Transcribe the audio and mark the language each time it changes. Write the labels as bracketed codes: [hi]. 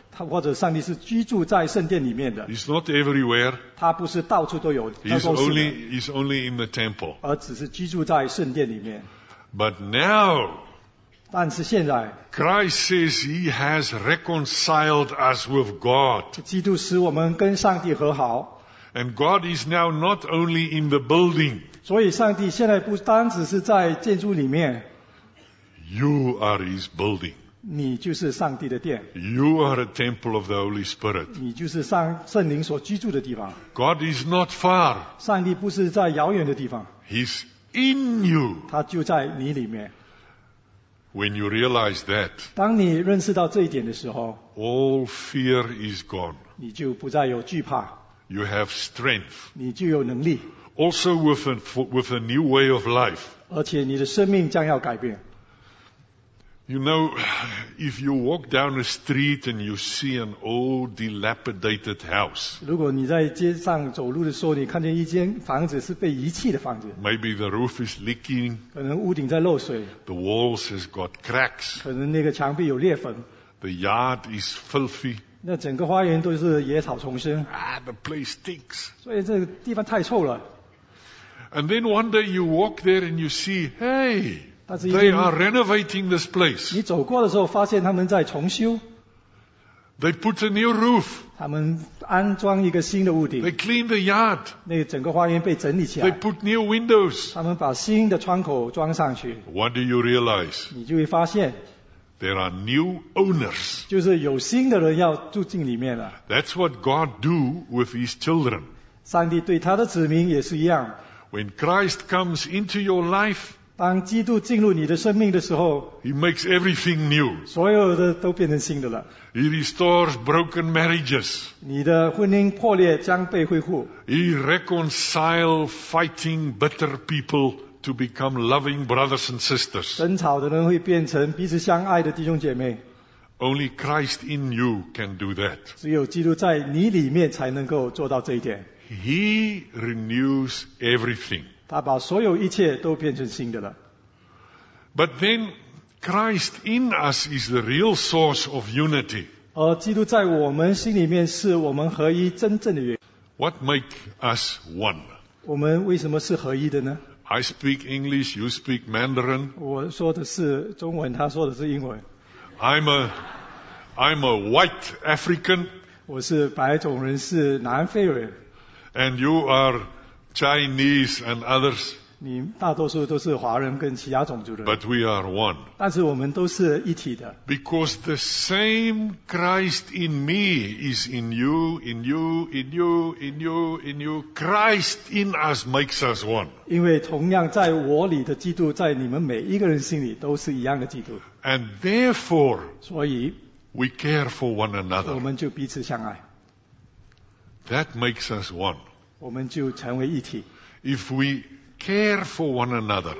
[zh] 或者上帝是居住在圣殿里面的。 [en] He's not everywhere. [zh] 他不是到处都有。 [en] He's only in the temple. [zh] 而只是居住在圣殿里面。 [en] But now, [zh] 但是现在， [en] Christ says He has reconciled us with God. [zh] 基督使我们跟上帝和好。 [en] And God is now not only in the building. [zh] 所以上帝现在不单只是在建筑里面。 [en] You are His building. [zh] 你就是上帝的殿。 [en] You are a temple of the Holy Spirit. [zh] 你就是圣灵所居住的地方。 [en] God is not far. [zh] 上帝不是在遥远的地方。 [en] He's in you. [zh] 他就在你里面。 [en] When you realize that, [zh] 当你认识到这一点的时候， [en] all fear is gone. [zh] 你就不再有惧怕。 [en] You have strength. [zh] 你就有能力。 [en] Also with a new way of life. [zh] 而且你的生命将要改变。 [en] You know, if you walk down a street and you see an old, dilapidated house, [zh] 如果你在街上走路的时候，你看见一间房子是被遗弃的房子， [en] maybe the roof is leaking, [zh] 可能屋顶在漏水， [en] the walls has got cracks, [zh] 可能那个墙壁有裂缝， [en] the yard is filthy, [zh] 那整个花园都是野草丛生， [en] the place stinks, [zh] 所以这个地方太臭了。 [en] And then one day you walk there and you see, hey,They are renovating this place. [zh] 你走过的时候发现他们在重修。 [en] They put a new roof. [zh] 他们安装一个新的屋顶。 [en] They clean the yard. [zh] 那整个花园被整理起来。 [en] They put new windows. [zh] 他们把新的窗口装上去。 [en] What do you realize? [zh] 你就会发现。 [en] There are new owners. [zh] 就是有新的人要住进里面了。 [en] That's what God do with His children. [zh] 上帝对他的子民也是一样。 [en] When Christ comes into your life, [zh] 当基督进入你的生命的时候， [en] He makes everything new. [zh] 所有的都变成新的了。 [en] He restores broken marriages. [zh] 你的婚姻破裂将被恢复。 [en] He reconciles fighting bitter people to become loving brothers and sisters. [zh] 争吵的人会变成彼此相爱的弟兄姐妹。 [en] Only Christ in you can do that. [zh] 只有基督在你里面才能够做到这一点。 [en] He renews everything. [zh] 他把所有一切都变成新的了。 [en] But then Christ in us is the real source of unity. [zh] 而基督在我们心里面是我们合一真正的原因。 [en] What make us one? [zh] 我们为什么是合一的呢？ [en] I speak English, you speak Mandarin. [zh] 我说的是中文，他说的是英文。 [en] I'm a white African. [zh] 我是白种人，是南非人。 [en] And you are Chinese and others. [zh] 你大多数都是华人跟其他种族的人。 [en] But we are one. [zh] 但是我们都是一体的。 [en] Because the same Christ in me is in you, in you, in you, in you, in you. Christ in us makes us one. [zh] 因为同样在我里的基督，在你们每一个人心里都是一样的基督。 [en] And therefore, [zh] 所以 [en] we care for one another. [zh] 我们就彼此相爱。 [en] That makes us one. [zh] 我们就成为一体。 [en] If we care for one another,